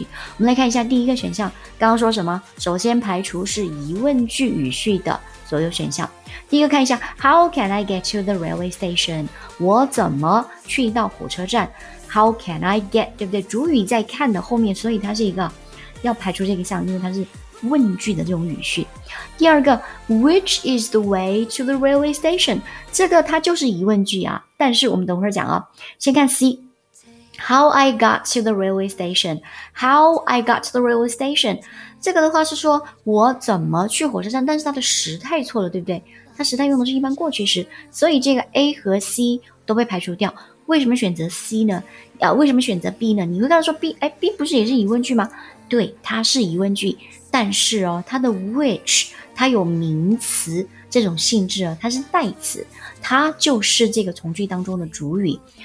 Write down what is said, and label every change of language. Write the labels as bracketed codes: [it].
[zh] 我们来看一下第一个选项，刚刚说什么？首先排除是疑问句语序的所有选项。第一个看一下 [en] ，How can I get to the railway station？ [zh] 我怎么去到火车站 [en] ？How can I get？ [zh] 对不对？主语在看的后面，所以它是一个要排除这个项，因为它是问句的这种语序。第二个 [en] ，Which is the way to the railway station？ [zh] 这个它就是疑问句啊。但是我们等会儿讲啊，先看 C， [en] How I got to the railway station？How I got to the railway station？ [zh] 这个的话是说我怎么去火车站，但是它的时态错了，对不对？它时态用的是一般过去时，所以这个 A 和 C 都被排除掉。为什么选择 C 呢？为什么选择 B 呢？你会告诉说 B 不是也是疑问句吗？对，它是疑问句。但是哦，它的 which 它有名词这种性质哦，它是代词，它就是这个从句当中的主语。